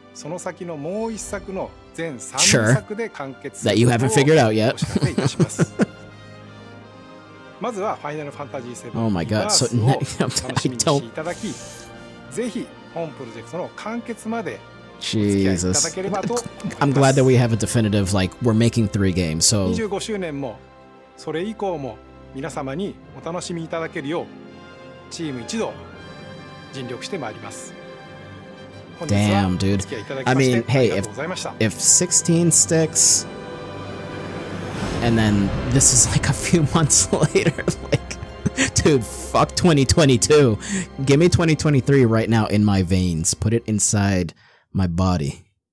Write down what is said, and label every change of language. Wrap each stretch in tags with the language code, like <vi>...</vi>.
<ja>その先のもう一作の全3作で完結することをお知らせいたします。まずはファイナルファンタジー7を楽しみにしていただき、ぜひ本プロジェクトの完結まで。</ja> <en>Jesus. I'm glad that we have a definitive, like, we're making three games, so...</en> <ja>25周年も、それ以降も、皆様にお楽しみいただけるよう、チーム一同、尽力してまいります。</ja> <en>Damn, dude. I mean, hey, if 16 sticks, and then this is like a few months later, like, dude, fuck 2022. Give me 2023 right now in my veins. Put it inside my body.</en>